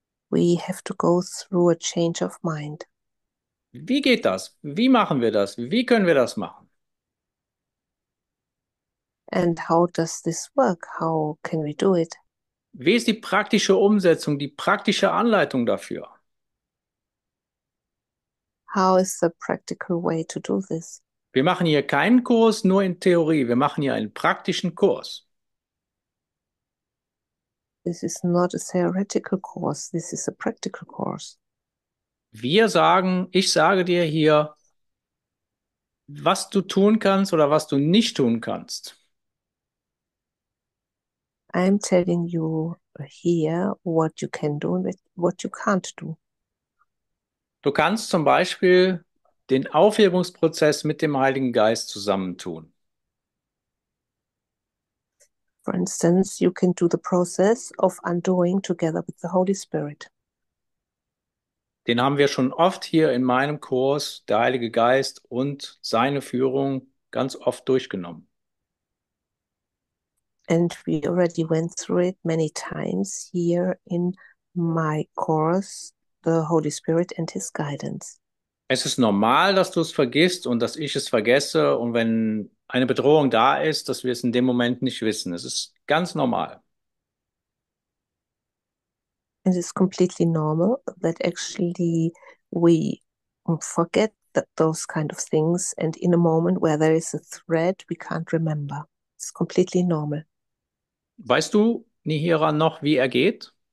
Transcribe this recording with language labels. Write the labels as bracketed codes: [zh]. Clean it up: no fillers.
[en] We have to go through a change of mind. [de] Wie geht das? Wie machen wir das? Wie können wir das machen? [en] And how does this work? How can we do it? [de] Wie ist die praktische Umsetzung, die praktische Anleitung dafür? [en] How is the practical way to do this? [de] Wir machen hier keinen Kurs nur in Theorie, wir machen hier einen praktischen Kurs. [en] This is not a theoretical course, this is a practical course. [de] Wir sagen, ich sage dir hier, was du tun kannst oder was du nicht tun kannst. [en] I'm telling you here what you can do and what you can't do. [de] Du kannst zum Beispiel den Aufhebungsprozess mit dem Heiligen Geist zusammentun. [en] For instance, you can do the process of undoing together with the Holy Spirit. [de] Den haben wir schon oft hier in meinem Kurs, der Heilige Geist und seine Führung, ganz oft durchgenommen. [en] And we already went through it many times here in my course, the Holy Spirit and his guidance. [de] Es ist normal, dass du es vergisst und dass ich es vergesse und wenn eine Bedrohung da ist, dass wir es in dem Moment nicht wissen. Es ist ganz normal. [en] It is completely normal that actually we forget that those kind of things and in a moment where there is a threat, we can't remember. It's completely normal. [de] Weißt du, Nihira, noch, wie er geht?